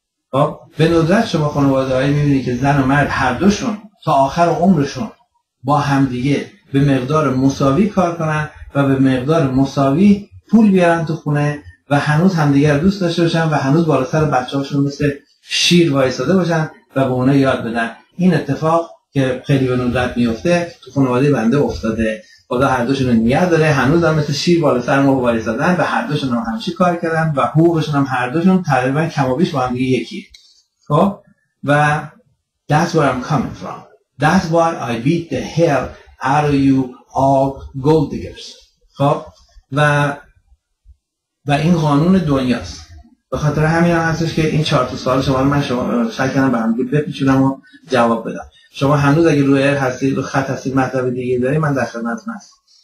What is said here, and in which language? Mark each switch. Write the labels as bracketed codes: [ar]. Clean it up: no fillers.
[fa] خب به ندرت شما خانواده هایی میبینی که زن و مرد هر دوشون تا آخر عمرشون با همدیگه به مقدار مساوی کار کنن و به مقدار مساوی پول بیارن تو خونه و هنوز همدیگر دوست داشته باشن و هنوز بالا سر بچه هاشون مثل شیر وایساده باشن و به اونا یاد بدن. این اتفاق که خیلی به ندرت میفته تو خانواده بنده افتاده. خدا هر دوشون رو نیت داره، هنوز هم مثل شیر بالا سر ما وایسادن و هر دوشون هم همچی کار کردن و حقوقشون هم هر دوشون تقریبا کمابیش با هم دیگه یکیه. خب؟ و [en] that's where I'm coming from. That's why I beat the hell out of you all gold diggers. [fa] خب؟ و این قانون دنیاست. به خاطر همین هم هستش که این 4 تا سوال شما رو من شکنم به همدیگه بپیچونم و جواب بدم. شما هنوز اگه روی ایر هستید و خط هستید مطلب دیگه داری من در خدمت هستم.